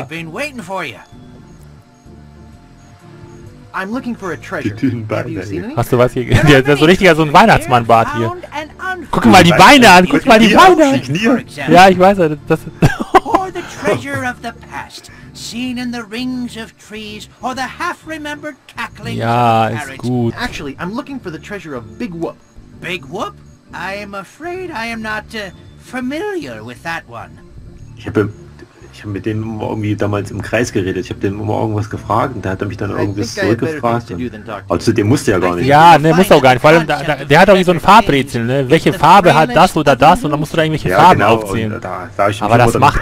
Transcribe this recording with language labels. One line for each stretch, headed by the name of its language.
English: I've been waiting for you. I'm looking for a treasure.
German: Hast du was hier? Das ist so richtiger so ein Weihnachtsmannbart hier. Guck mal die Beine an, guck mal die Beine an. Ja, ich weiß, das.
English: Or treasure of the past, seen in the rings of trees or the half-remembered cackling of parrots.
German: Ja, ist gut.
English: Actually, I'm looking for the treasure of Big Whoop. Big Whoop? I am afraid I am not familiar with that one.
German: Ich habe mit dem immer irgendwie damals im Kreis geredet. Ich habe dem immer irgendwas gefragt und da hat er mich dann irgendwas zurückgefragt. Also dem musste ja gar nicht. Ja, ne, muss auch gar nicht. Vor allem, der hat auch so ein Farbrätsel, ne? Welche Farbe hat das oder das? Und dann musst du da irgendwelche Farben aufziehen. Aber das macht...